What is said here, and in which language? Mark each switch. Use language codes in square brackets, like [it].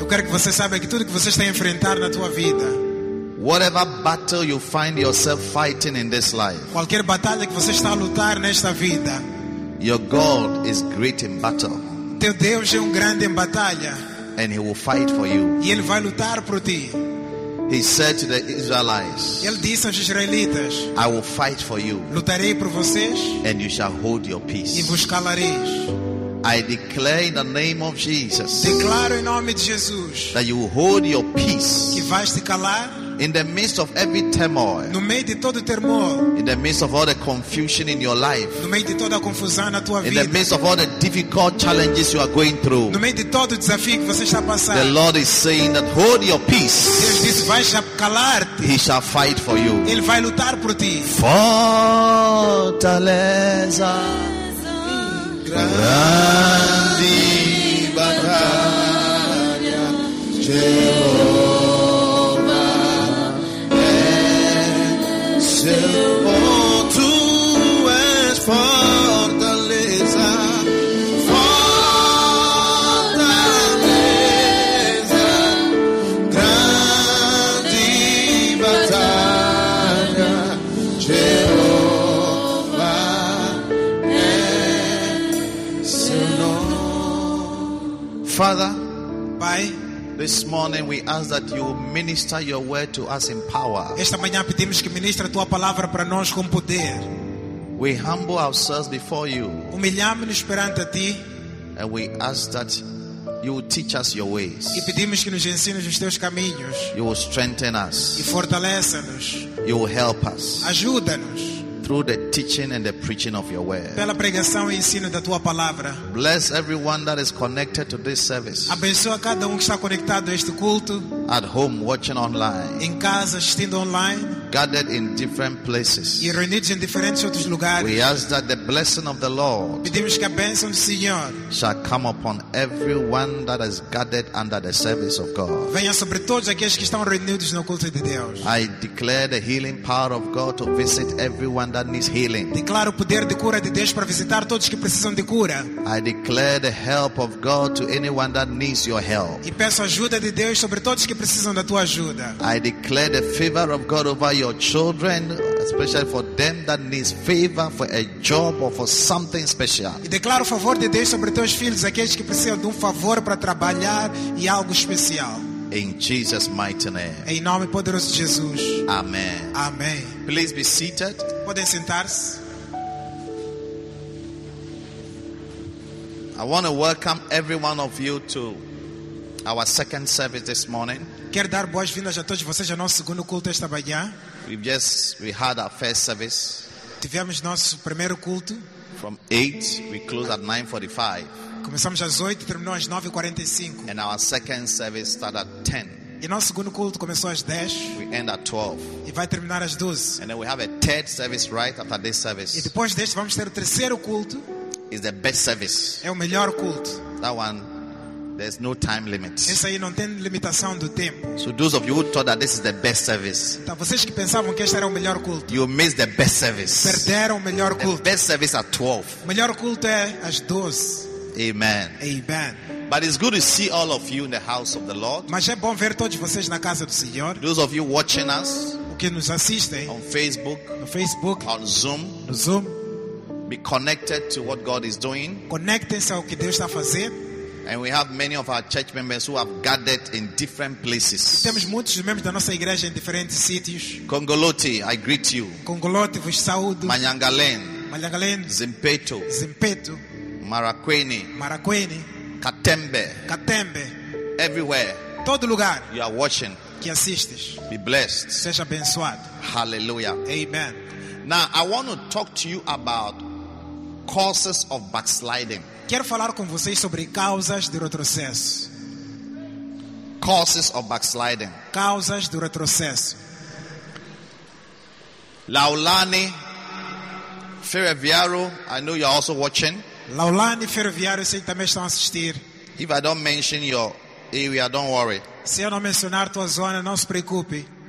[pt] Você sabe que tudo que você está a enfrentar na tua vida, [en] whatever battle you find yourself fighting in this life, [pt] qualquer batalha que você está a lutar nesta vida, [en] your God is great in battle. [pt] Teu Deus é grande em batalha. [en] And He will fight for you. [pt] E Ele vai lutar por ti. [en] He said to the Israelites, [pt] Ele disse aos israelitas, [en] I will fight for you. [pt] Lutarei por vocês. [en] And you shall hold your peace. [pt] E vos calareis. [en] I declare in the name of Jesus, [pt] declaro em nome de Jesus, [en] that you will hold your peace, [pt] que vais te calar, [en] In the midst of every turmoil, [pt] no meio de todo temor, [en] in the midst of all the confusion in your life, [pt] no meio de toda a confusão na tua vida, [en] in the midst of all the difficult challenges you are going through, [pt] no meio de todo o desafio que você está passando, [en] the Lord is saying that hold your peace. [pt] Deus diz, vai calar-te. [en] He shall fight for you. [pt] Ele vai lutar por ti. Fortaleza, grande batalha, Jeová é seu ponto, és fortaleza, fortaleza, grande batalha, Jeová é seu nome. [en] Father, this morning we ask that you minister your word to us in power. [pt] Esta manhã pedimos que ministre a tua palavra para nós com poder. [en] We humble ourselves before you. [pt] Humilhamo-nos perante a ti. [en] And we ask that you will teach us your ways. [pt] E pedimos que nos ensines os teus caminhos. [en] You will strengthen us. [pt] E fortaleça-nos. [en] You will help us. [pt] Ajuda-nos. [en] Through the teaching and the preaching of your word. [pt] Pela pregação e ensino da tua palavra. [en] Bless everyone that is connected to this service. [pt] Abençoa cada que está conectado a este culto. [en] At home watching online. [pt] Em casa assistindo online. [en] Gathered in different places. [pt] E reunidos em diferentes outros lugares. [en] We ask that the blessing of the Lord. [pt] Pedimos que a bênção do Senhor. [en] Shall come upon everyone that is gathered under the service of God. [pt] Venha sobre todos aqueles que estão reunidos no culto de Deus. [en] I declare the healing power of God to visit everyone that needs healing. [pt] Declaro o poder de cura de Deus para visitar todos que precisam de cura. [en] I declare the help of God to anyone that needs your help. [pt] E peço ajuda de Deus sobre todos que precisam da tua ajuda. [en] I declare the favor of God over your children, especially for them that needs favor for a job or for something special. [pt] E declaro o favor de Deus sobre teus filhos, aqueles que precisam de favor para trabalhar e algo especial. [en] In Jesus' mighty name. [pt] Em nome poderoso de Jesus. [en] Amen. [pt] Amém. [en] Please be seated. [pt] Podem sentar-se. [en] I want to welcome every one of you to our second service this morning. [pt] Quero dar boas-vindas a todos vocês ao nosso segundo culto esta manhã. [en] We had our first service. [pt] Tivemos nosso primeiro culto. [en] From 8, we closed at 9:45. [pt] Começamos às 8 e terminou às 9:45. [en] And our second service started at 10. [pt] E nosso segundo culto começou às 10. [en] We end at 12. [pt] E vai terminar às 12. [en] And then we have a third service right after this service. [pt] E depois deste vamos ter o terceiro culto. [en] Is the best service. [pt] É o melhor culto. [en] That one. There's no time limit. [pt] Isso aí não tem limitação do tempo. [en] So those of you who thought that this is the best service. [pt] Então vocês que pensavam que este era o melhor culto. [en] You missed the best service. [pt] Perderam o melhor culto. [en] The best service at 12. [pt] O melhor culto é às 12. [en] Amen. [pt] Amen. [en] But it's good to see all of you in the house of the Lord. [pt] Mas é bom ver todos vocês na casa do Senhor. [en] Those of you watching us. [pt] O que nos assistem. [en] On Facebook. [pt] No Facebook. [en] On Zoom. [pt] No Zoom. [en] Be connected to what God is doing. [pt] Conectem-se ao que Deus está fazendo. [en] And we have many of our church members who have gathered in different places. [pt] Temos muitos membros da nossa igreja em diferentes sítios. [en] Congoloti, I greet you. [pt] Congoloti, vos saúdo. [en] Manyangalen. [pt] Manyangalen. [en] Zimpeto. [pt] Zimpeto. [en] Marakweni. [pt] Marakweni. [en] Katembe. [pt] Katembe. [en] Everywhere. [pt] Todo lugar. [en] You are watching. [pt] Que assistes. [en] Be blessed. [pt] Seja abençoado. [en] Hallelujah. [pt] Amen. [en] Now, I want to talk to you about causes of backsliding. [pt] Quero falar com vocês sobre causas de retrocesso. [en] Causes of backsliding. [pt] Causas de retrocesso. [en] Laulani Ferroviário, I know you are also watching. [pt] Laulani Ferroviário, sei que também estão a assistir. [en] If I don't mention your area, don't worry. [pt] Se eu não mencionar tua zona, não se preocupe.